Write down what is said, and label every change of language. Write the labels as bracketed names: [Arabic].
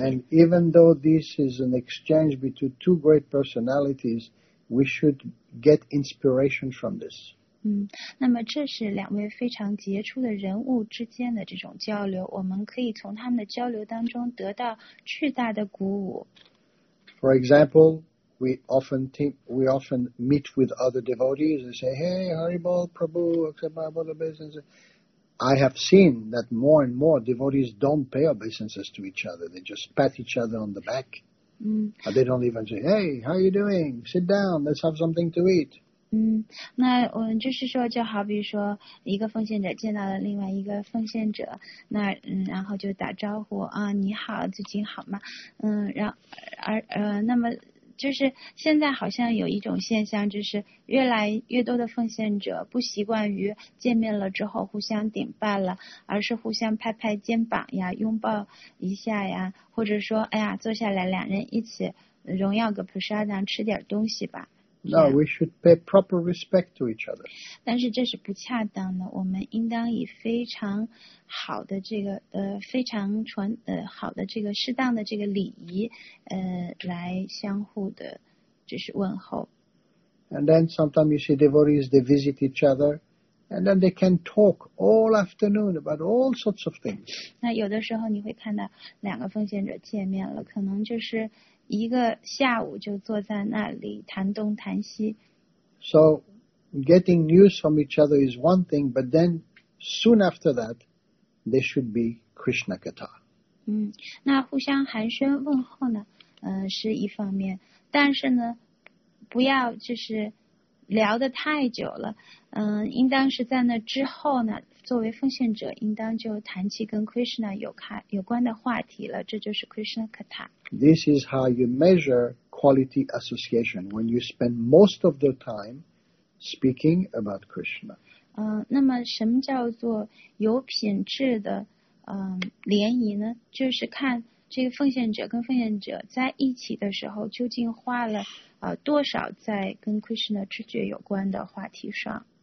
[English] And even though this is an exchange between two great personalities, we should get inspiration from this. [Chinese] 那么这是两位非常杰出的人物之间的这种交流，我们可以从他们的交流当中得到巨大的鼓舞。 [English] For example,we often meet with other devotees and say, hey, Haribol Prabhu, accept my obeisances. I have seen that more and more devotees don't pay obeisances to each other. They just pat each other on the back. But they don't even say, hey, how are you doing? Sit down, let's have something to eat. [Chinese] 那我们就是说就好比说一个奉献者见到了另外一个奉献者那然后就打招呼啊你好最近好吗那么就是现在好像有一种现象就是越来越多的奉献者不习惯于见面了之后互相顶拜了而是互相拍拍肩膀呀拥抱一下呀或者说哎呀坐下来两人一起荣耀个普沙当吃点东西吧 [English] No, we should pay proper respect to each other. [Chinese] 但是这是不恰当的我们应当以非常好的这个非常传好的这个适当的这个礼仪来相互的就是问候。 [English] And then sometimes you see devotees, they visit each other, and then they can talk all afternoon about all sorts of things. [Chinese] 那有的时候你会看到两个奉献者见面了可能就是一个下午就坐在那里谈东谈西。 [English] So getting news from each other is one thing, but then soon after that,There should be Krishna Katha. [Chinese] 那互相寒暄问候呢是一方面。但是呢不要就是聊得太久了应当是在那之后呢作为奉献者应当就谈起跟 Krishna 有关的话题了这就是 Krishna Katha. [English] This is how you measure quality association, when you spend most of the time speaking about Krishna. [Chinese] 那么什么叫做有品质的联谊呢就是看这个奉献者跟奉献者在一起的时候究竟花了多少在跟 Krishna 知觉有关的话题上。